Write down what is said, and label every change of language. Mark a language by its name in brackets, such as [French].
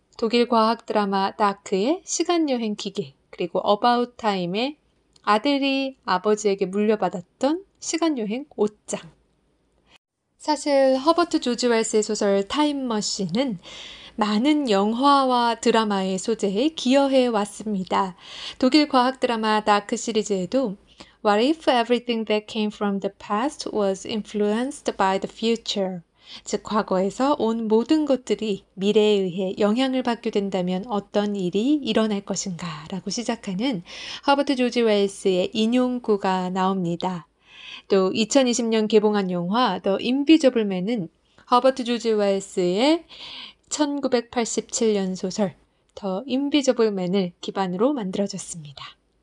[Korean] 독일 과학 드라마 다크의 시간 여행 기계, 그리고 어바웃 타임의 아들이 아버지에게 물려받았던 시간여행 옷장. 사실 허버트 조지 웰스의 소설 타임머신은 많은 영화와 드라마의 소재에 기여해 왔습니다. 독일 과학 드라마 다크 시리즈에도 [English] What if everything that came from the past was influenced by the future? [Korean] 즉 과거에서 온 모든 것들이 미래에 의해 영향을 받게 된다면 어떤 일이 일어날 것인가 라고 시작하는 허버트 조지 웰스의 인용구가 나옵니다. 또 2020년 개봉한 영화 The Invisible Man은 허버트 조지 웰스의 1987년 소설 The Invisible Man을 기반으로 만들어졌습니다.